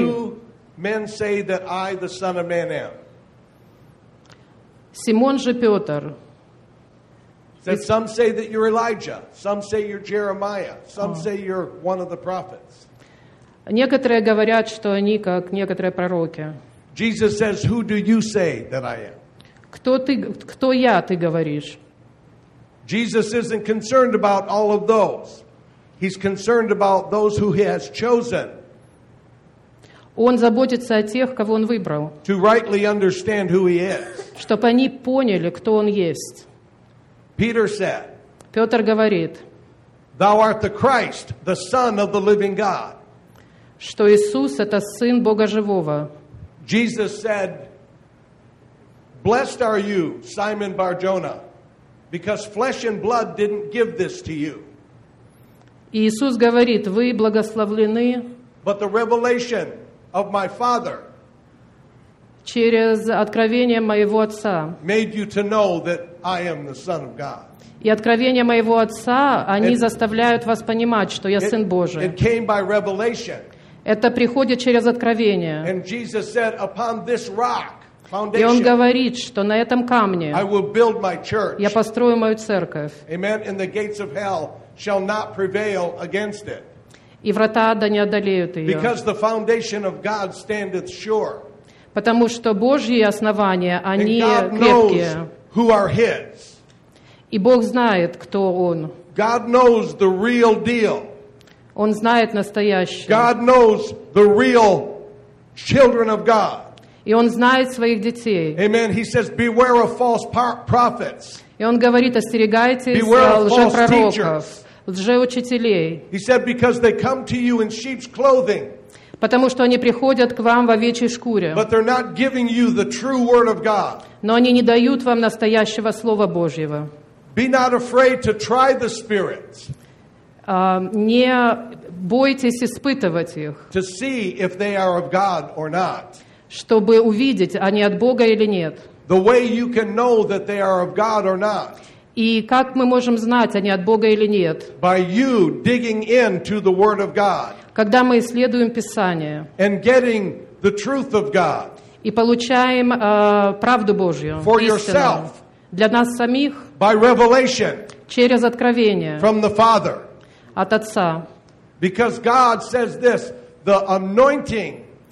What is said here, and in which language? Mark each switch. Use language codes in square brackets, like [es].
[en] "Who do men say that I, the Son of Man, am?" [ru] Симон же Петр. [en] That some say that you're Elijah, some say you're Jeremiah, some say you're one of the prophets. [ru] Некоторые говорят, что они как некоторые пророки. [en] Jesus says, "Who do you say that I am?" [ru] Кто я, ты говоришь? [en] Jesus isn't concerned about all of those. He's concerned about those who he has chosen. [ru] Он заботится о тех, кого он выбрал. [en] To rightly understand who he is. [ru] Чтобы они поняли, кто он есть. [en] Peter said, [ru] Петр говорит, [en] "Thou art the Christ, the Son of the living God." [ru] Что Иисус это сын Бога живого. [en] Jesus said, "Blessed are you, Simon Bar-Jona, because flesh and blood didn't give this to you." [ru] И Иисус говорит, вы благословлены. [en] But the revelation of my Father. [ru] Через откровение моего отца. [en] Made you to know that I am the Son of God. [ru] И откровение моего отца, они заставляют вас понимать, что я сын Божий. [en] It came by revelation. [ru] Это приходит через откровение. [en] And Jesus said, upon this rock, foundation. [ru] И он говорит, что на этом камне. [en] I will build my church. [ru] Я построю мою церковь. [en] Amen. And the gates of hell shall not prevail against it. [ru] И врата ада не одолеют ее. [en] Because the foundation of God standeth sure. [ru] Потому что Божьи основания, они крепкие. [en] And God knows who are his. [ru] И Бог знает, кто он. [en] God knows the real deal. [ru] Он знает настоящее. [en] God knows the real children of God. [ru] И он знает своих детей. [en] Amen. He says, "Beware of false prophets." [ru] И он говорит, остерегайтесь лжепророков. Лжеучителей. [en] He said, because they come to you in sheep's clothing. [ru] Потому что они приходят к вам в овечьей шкуре. [en] But they're not giving you the true word of God. [ru] Но они не дают вам настоящего слова Божьего. [en] Be not afraid to try the spirits. [ru] Не бойтесь испытывать их. [en] To see if they are of God or not. [ru] Чтобы увидеть, они от Бога или нет. [en] The way you can know that they are of God or not. [ru] И как мы можем знать, они от Бога или нет? [en] By you digging into the word of God. [ru] Когда мы исследуем Писание. [en] And getting the truth of God. [ru] И получаем правду Божью. [en] For yourself. [ru] Для нас самих. [en] By revelation. [ru] Через откровение. [en] From the Father. [ru] От Отца. [en] Because God says this, the anointing.